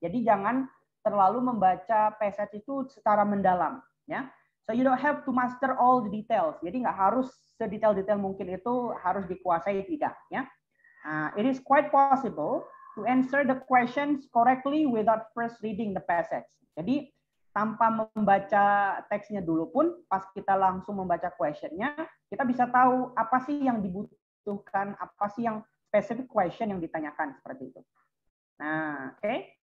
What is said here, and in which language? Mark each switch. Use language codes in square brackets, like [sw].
[id] Jadi jangan terlalu membaca passage itu secara mendalam, ya. [en] So you don't have to master all the details. [id] Jadi nggak harus sedetail-detail mungkin itu harus dikuasai, tidak, ya. [en] It is quite possible to answer the questions correctly without first reading the passage. [id] Jadi tanpa membaca teksnya dulu pun, pas kita langsung membaca questionnya, kita bisa tahu apa sih yang dibutuhkan, apa sih yang specific question yang ditanyakan seperti itu. Nah, oke. Okay.